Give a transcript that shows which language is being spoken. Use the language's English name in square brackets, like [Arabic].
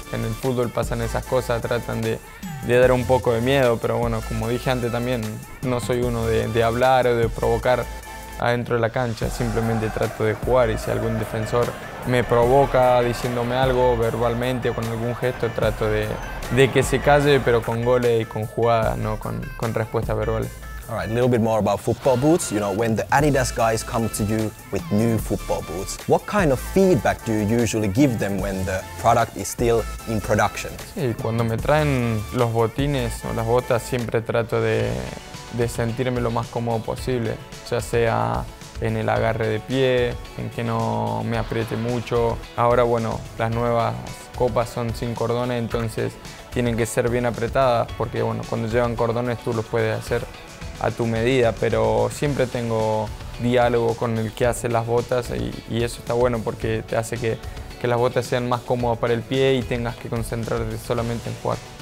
[Spanish] En el fútbol pasan esas cosas, tratan de dar un poco de miedo, pero bueno, como dije antes también, no soy uno de hablar o de provocar adentro de la cancha. Simplemente trato de jugar y si algún defensor me provoca diciéndome algo verbalmente o con algún gesto, trato de que se calle, pero con goles y con jugadas, no con respuestas verbales. [English] All right, a little bit more about football boots. You know, when the Adidas guys come to you with new football boots, what kind of feedback do you usually give them when the product is still in production? [Spanish] Sí, cuando me traen los botines o las botas, siempre trato de sentirme lo más cómodo posible, ya sea en el agarre de pie, en que no me apriete mucho. Ahora, bueno, las nuevas copas son sin cordones, entonces tienen que ser bien apretadas, porque bueno, cuando llevan cordones tú los puedes hacer a tu medida, pero siempre tengo diálogo con el que hace las botas y eso está bueno porque te hace que las botas sean más cómodas para el pie y tengas que concentrarte solamente en jugar.